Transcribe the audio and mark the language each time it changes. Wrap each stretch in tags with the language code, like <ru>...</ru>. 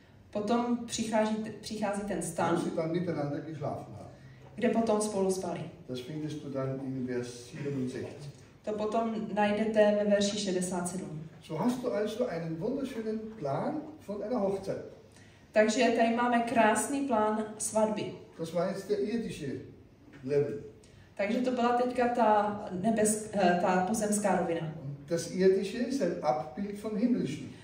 <cs>Potom přichází ten stan.</cs> <de>Wo sie dann miteinander geschlafen haben.</de> <cs>Kde potom spolu spali.</cs> <de>Das findest du dann in Vers 67.</de> <cs>To potom najdete ve verši 67.</cs> <de>So hast du also einen wunderschönen Plan von einer Hochzeit.</de> <cs>Takže tady máme krásný plán svatby.</cs> <de>Das war jetzt der irdische Level.</de> <cs>Takže to byla teďka ta ta pozemská rovina.</cs> <de>Das irdische ist ein Abbild vom himmlischen.</de>